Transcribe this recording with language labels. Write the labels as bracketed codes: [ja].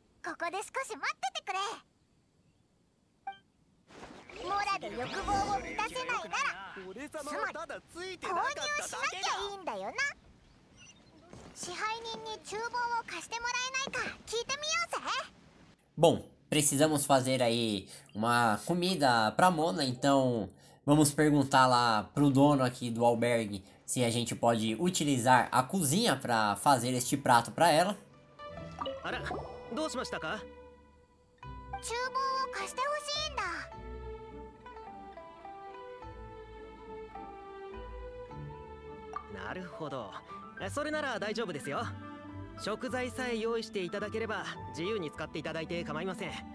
[ja] ここで少し待っててくれ。モラで欲望を満たせないなら、つまり購入しなきゃいいんだよな。支配人に厨房を貸してもらえないか聞いてみようぜ。 [pt] Bom, Precisamos fazer aí uma comida para Mona, então vamos perguntar lá para o dono aqui do albergue se a gente pode utilizar a cozinha para fazer este prato para ela. [ja] あら、どうしましたか？厨房を貸してほしいんだ。なるほど。それなら大丈夫ですよ。食材さえ用意していただければ自由に使っていただいて構いません。